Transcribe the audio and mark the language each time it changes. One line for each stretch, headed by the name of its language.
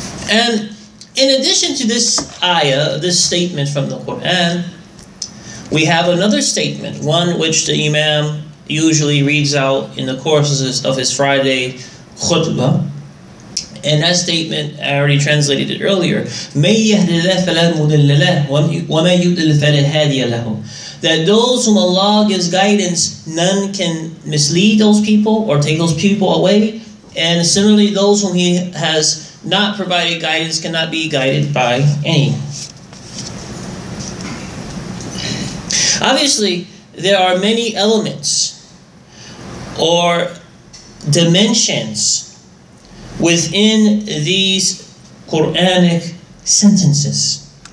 English: And in addition to this ayah, this statement from the Quran, we have another statement, one which the Imam usually reads out in the courses of his Friday khutbah. And that statement, I already translated it earlier,
Arabic: مَنْ يَهْدِ لَهُ فَلَا مُدِلَّ لَهُ وَمَنْ يُدِلْ فَلَا هَادِيَ لَهُ.
English: That those whom Allah gives guidance, none can mislead those people or take those people away. And similarly, those whom He has not provided guidance cannot be guided by any. Obviously, there are many elements or dimensions within these Quranic sentences.